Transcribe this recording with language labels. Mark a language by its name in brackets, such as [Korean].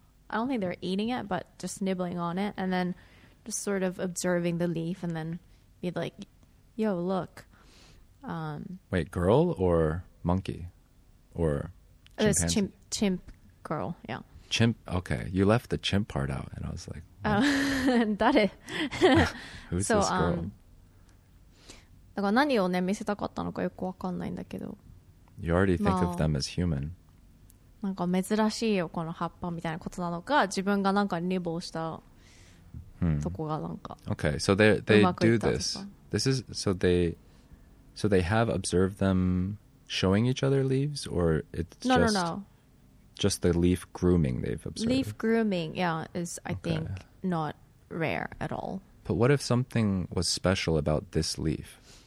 [English] I don't think they're eating it, but just nibbling on it and then just sort of observing the leaf and then be like, yo, look. Wait, girl or monkey or chimpanzee? This chimp girl. Yeah, chimp. Okay, you left the chimp part out and I was like, Who's so, this girl? [Japanese] だから何をね見せたかったのかよくわかんないんだけど。 [English] You already think of them as human. [Japanese] なんか珍しいよこの葉っぱみたいなことなのか、自分がなんかニボーしたそこがなんか。 [English] Okay, so they do this. This is so they have observed them showing each other leaves, or it's no, just no, no. just the leaf grooming they've observed. Leaf grooming, yeah, is I think not rare at all. But what if something was special about this leaf?